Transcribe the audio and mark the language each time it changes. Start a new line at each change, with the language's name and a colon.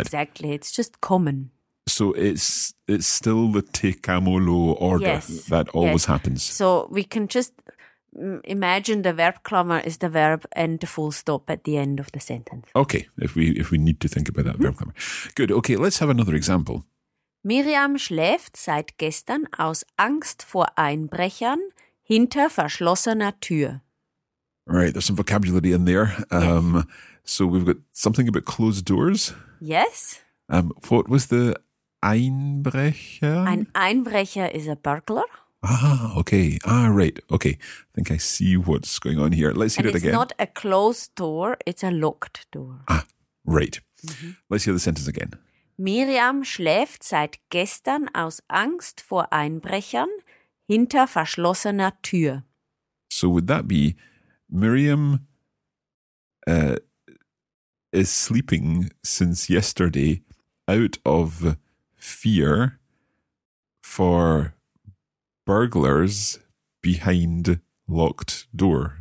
English: Exactly, it's just common. So it's still the te camulo order that always happens. So we can just imagine the verb clamour is the verb and the full stop at the end of the sentence. Okay, if we need to think about that verb clamour. Good, okay, let's have another example.
German: Miriam schläft seit gestern aus Angst vor Einbrechern hinter verschlossener Tür.
English: Right, there's some vocabulary in there. So we've got something about closed doors. Yes. What was the Einbrecher? Ein Einbrecher is a burglar. Ah, okay. Ah, right. Okay. I think I see what's going on here. Let's hear it again. It's not a closed door, it's a locked door. Ah, right. Let's hear the sentence again.
German: Miriam schläft seit gestern aus Angst vor Einbrechern hinter verschlossener Tür.
English: So would that be Miriam is sleeping since yesterday out of fear for burglars behind locked door.